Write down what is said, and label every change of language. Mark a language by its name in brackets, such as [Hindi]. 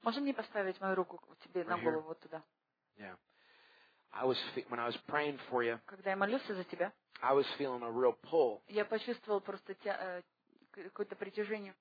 [Russian] Можем мне поставить мою руку тебе на голову вот туда? [English] Yeah. When I was praying for you, [Russian] когда я молился за тебя, [English] I was feeling a real pull. [Russian] Я почувствовал просто какое-то притяжение.